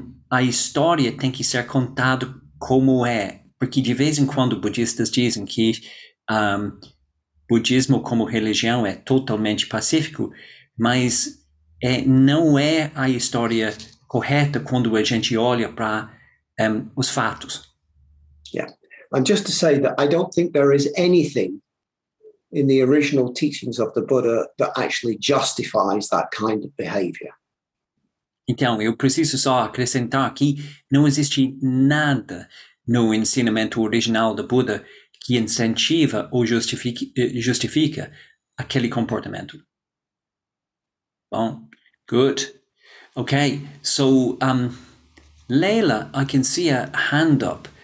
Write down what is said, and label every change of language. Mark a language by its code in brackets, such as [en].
[pt] A história tem que ser contada como é, porque de vez em quando budistas dizem que budismo como religião é totalmente pacífico, mas não é a história correta quando a gente olha para os fatos. [en] Yeah, and just to say that I don't think there is anything in the original teachings of the Buddha that actually justifies that kind of behavior. [pt] Então, eu preciso só acrescentar que não existe nada no ensinamento original do Buda que incentiva ou justifica aquele comportamento. [en] Bom, good. Okay, so, Leila, I can see a hand up.